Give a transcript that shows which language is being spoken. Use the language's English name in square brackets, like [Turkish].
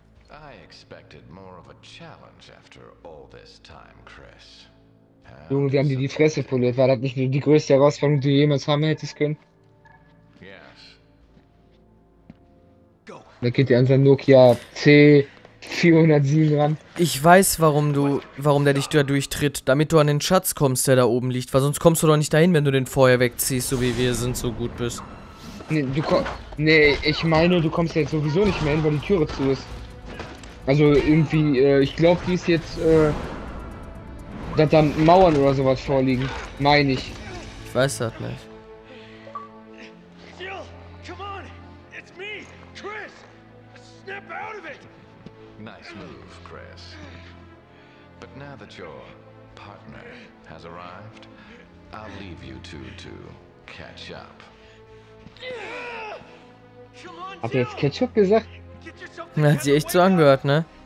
[English] I expected more of a challenge after all this time, Chris. [German] Junge, wir haben dir die Fresse poliert, war das nicht die größte Herausforderung, die du jemals haben hättest können? [English] Yes. [German] Da geht der an sein Nokia C407 ran. Ich weiß, warum der dich da durchtritt, damit du an den Schatz kommst, der da oben liegt, weil sonst kommst du doch nicht dahin, wenn du den vorher wegziehst, so wie wir sind, so gut bist. Nee, du komm. Nee, ich meine, du kommst jetzt sowieso nicht mehr hin, weil die Türe zu ist. Also irgendwie, ich glaube, die ist jetzt, dass da Mauern oder sowas vorliegen, meine ich. Ich weiß das nicht. [English] Jill, come on! It's me, Chris! Snap out of it! Nice move, Chris. But now that your partner has arrived, I'll leave you two to catch up. [German] Hat er jetzt Ketchup gesagt? Na, hat sie echt so angehört, ne?